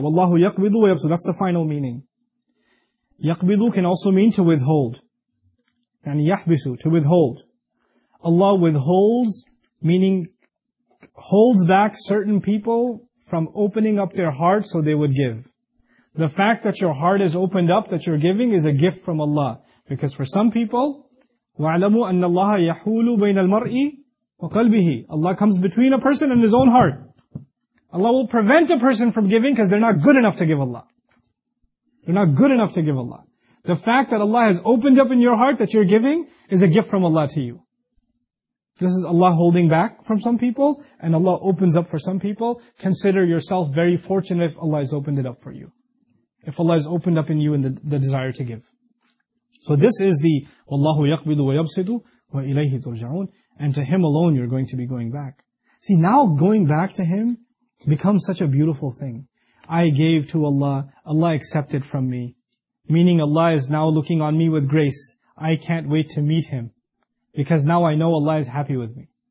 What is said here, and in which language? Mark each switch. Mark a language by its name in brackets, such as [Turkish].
[Arabic] Wallahu yaqbidu wa yabsu. [English] That's the final meaning. Yaqbidu can also mean to withhold. And yahbisu, to withhold. Allah withholds, meaning holds back certain people from opening up their hearts so they would give. The fact that your heart is opened up, that you're giving, is a gift from Allah. Because for some people, [Arabic] وَعْلَمُوا أَنَّ اللَّهَ يَحُولُ بَيْنَ الْمَرْءِ وَقَلْبِهِ. [English] Allah comes between a person and his own heart. Allah will prevent a person from giving because they're not good enough to give Allah. They're not good enough to give Allah. The fact that Allah has opened up in your heart that you're giving is a gift from Allah to you. This is Allah holding back from some people and Allah opens up for some people. Consider yourself very fortunate if Allah has opened it up for you. If Allah has opened up in you in the desire to give. So this is the [Arabic] وَاللَّهُ يَقْبِدُ وَيَبْسِدُ وَإِلَيْهِ تُرْجَعُونَ. [English] And to Him alone you're going to be going back. See, now going back to Him becomes such a beautiful thing. I gave to Allah, Allah accepted from me. Meaning Allah is now looking on me with grace. I can't wait to meet Him. Because now I know Allah is happy with me.